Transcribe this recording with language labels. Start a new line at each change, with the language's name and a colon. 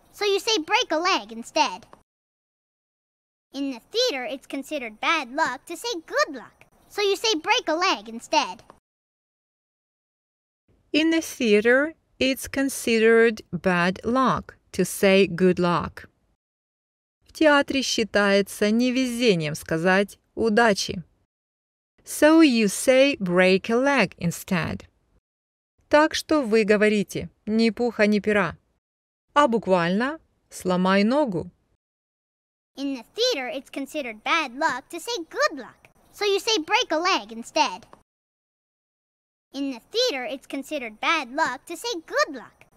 English: So you say break a leg instead. In the theater, it's considered bad luck to say good luck. So you say break a leg instead. In the theater, it's considered bad luck to say good luck.
Russian: В театре считается невезением сказать удачи.
English: So you say break a leg instead.
Russian: Так что вы говорите ни пуха ни пера. А буквально сломай ногу.
English: In the theater it's considered bad luck to say good luck. So you say break a leg instead. In the theater it's considered bad luck to say good luck.